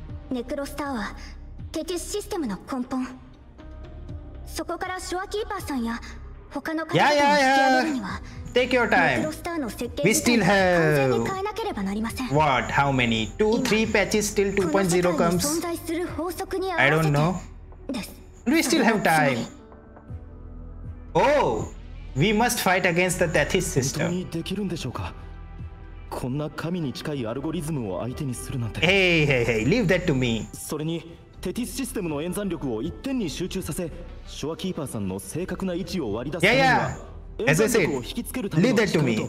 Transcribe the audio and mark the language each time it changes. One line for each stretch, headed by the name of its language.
Japanese: ネクロスターはテティスシステムの根本。そこからショアキーパーさんや他の方々を引き上げるには、ネクロスターの設計自体を完全に変えなければなりません。
English: What? How many? 2-3 patches till 2.0 comes?
Japanese: この世界に存在する法則に合わせて。
English: I don't know.
Japanese: です。
English: We still have time. Oh, we must fight against the Tethys system.
Japanese: 本当にできるんでしょうか？こんな神に近いアルゴリズムを相手にするなんて。
English: Hey, leave that to me.
Japanese: それに。テティスシステムの演算力を一点に集中させ、ショアキーパーさんの正確な位置を割り出すためには、演算力を引きつけるための仕組み